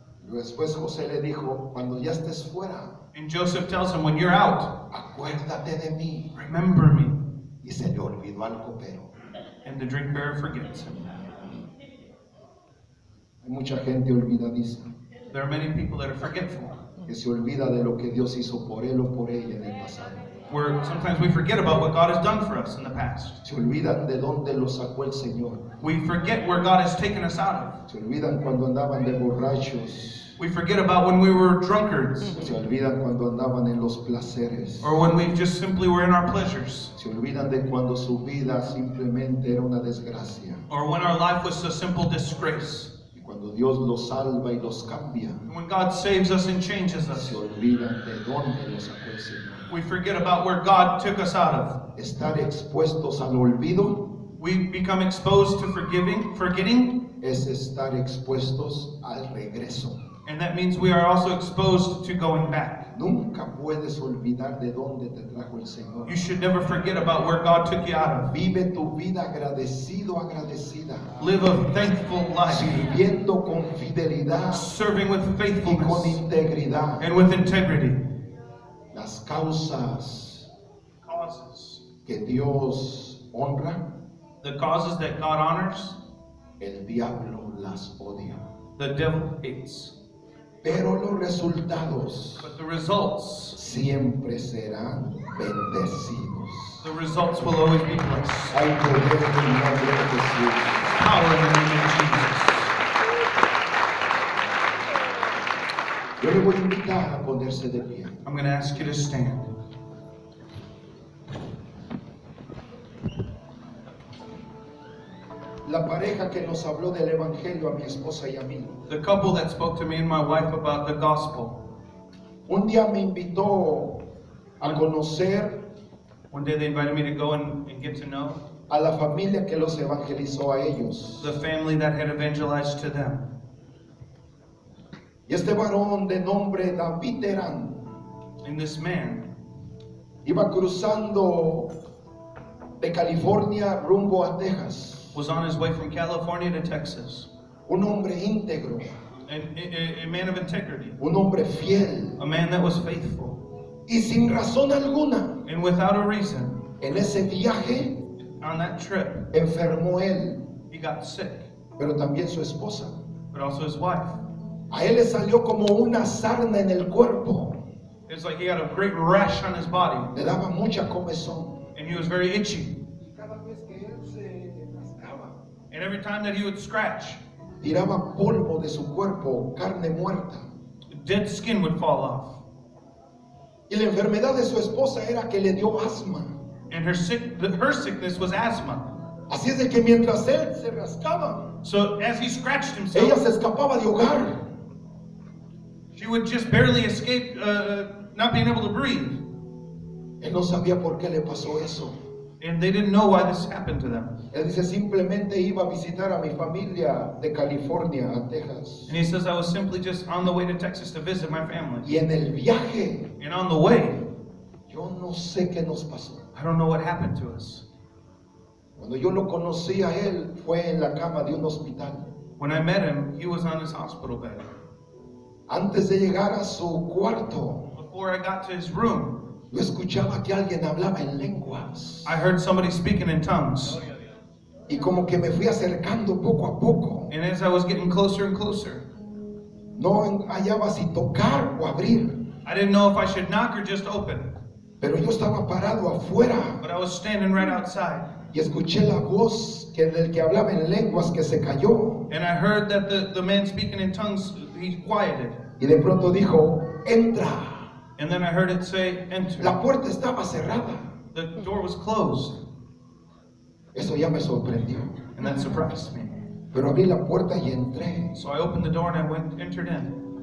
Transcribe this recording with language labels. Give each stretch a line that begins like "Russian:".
Spanish: Después José le dijo, cuando ya estés fuera.
English: And Joseph tells him, when you're out.
Spanish: Acuérdate de mí.
English: Remember me.
Spanish: Y se le olvidó al copero.
English: And the drink bearer forgets him.
Spanish: Hay mucha gente olvidadiza.
English: There are many people that are forgetful.
Spanish: Que se olvida de lo que Dios hizo por él o por ella en el pasado.
English: Where sometimes we forget about what God has done for us in the past.
Spanish: Se olvidan de dónde lo sacó el Señor.
English: We forget where God has taken us out of.
Spanish: Se olvidan cuando andaban de borrachos.
English: We forget about when we were drunkards.
Spanish: Se olvidan cuando andaban en los placeres.
English: Or when we just simply were in our pleasures.
Spanish: Se olvidan de cuando su vida simplemente era una desgracia.
English: Or when our life was a simple disgrace.
Spanish: Cuando Dios los salva y los cambia.
English: When God saves us and changes us.
Spanish: Se olvidan de dónde lo sacó el Señor.
English: We forget about where God took us out of.
Spanish: Estar expuestos al olvido.
English: We become exposed to forgetting.
Spanish: Es estar expuestos al regreso.
English: And that means we are also exposed to going back.
Spanish: Nunca puedes olvidar de dónde te trajo el Señor.
English: You should never forget about where God took you out of.
Spanish: Vive tu vida agradecido, agradecida.
English: Live a thankful life.
Spanish: Sirviendo con fidelidad.
English: Serving with faithfulness.
Spanish: Y con integridad.
English: And with integrity.
Spanish: Las causas
English: causes.
Spanish: Que Dios honra,
English: the causes that God honors,
Spanish: el diablo las odia,
English: the devil hates,
Spanish: pero los resultados,
English: but the results,
Spanish: siempre serán bendecidos,
English: the results will always be blessed.
Spanish: Hay poder en el nombre de Jesús.
English: Power in the name of Jesus.
Spanish: Yo le voy a invitar a ponerse de pie.
English: I'm going to ask you to stand.
Spanish: La pareja que nos habló del evangelio a mi esposa y a mí.
English: The couple that spoke to me and my wife about the gospel.
Spanish: Un día me invitó a conocer.
English: One day they invited me to go and get to know.
Spanish: A la familia que los evangelizó a ellos.
English: The family that had evangelized to them.
Spanish: Y este varón de nombre David Terán.
English: In this man,
Spanish: iba cruzando de California rumbo a Texas.
English: Was on his way from California to Texas.
Spanish: Un hombre íntegro.
English: man of integrity.
Spanish: Un hombre fiel.
English: A man that was faithful.
Spanish: Y sin razón alguna.
English: And without a reason.
Spanish: En ese viaje.
English: On that trip.
Spanish: Enfermó él.
English: He got sick.
Spanish: Pero también su esposa.
English: But also his wife.
Spanish: A él le salió como una sarna en el cuerpo.
English: It's like he had a great rash on his body.
Spanish: Le daba mucha comezón.
English: And he was very itchy. And every time that he would scratch,
Spanish: tiraba polvo de su cuerpo, carne muerta.
English: Dead skin would fall off.
Spanish: Y la enfermedad de su esposa era que le dio asma.
English: And her sickness was asthma.
Spanish: Así es de que mientras él se rascaba,
English: so as he scratched himself,
Spanish: ella se escapaba de hogar.
English: She would just barely escape, not being able to breathe.
Spanish: Él no sabía por qué le pasó eso.
English: And they didn't know why this happened to them.
Spanish: Él dice, simplemente iba a visitar a mi familia de California, a Texas.
English: And he says, I was simply just on the way to Texas to visit my family.
Spanish: Y en el viaje,
English: and on the way,
Spanish: yo no sé qué nos pasó.
English: I don't know what happened to us.
Spanish: Cuando yo lo conocí a él, fue en la cama de un hospital.
English: When I met him, he was on his hospital bed.
Spanish: Antes de llegar a su cuarto,
English: before I got to his room,
Spanish: yo escuchaba que alguien hablaba en lenguas.
English: I heard somebody speaking in tongues.
Spanish: Y como que me fui acercando poco a poco.
English: And as I was getting closer and closer,
Spanish: no hallaba si tocar o abrir.
English: I didn't know if I should knock or just open.
Spanish: Pero yo estaba parado afuera.
English: But I was standing right outside.
Spanish: Y escuché la voz que del que hablaba en lenguas que se cayó.
English: And I heard that the man speaking in tongues, he quieted.
Spanish: Y de pronto dijo, entra.
English: And then I heard it say, enter.
Spanish: La puerta estaba cerrada.
English: The door was closed.
Spanish: Eso ya me sorprendió.
English: And that surprised me.
Spanish: Pero abrí la puerta y entré.
English: So I opened the door and I went, entered in.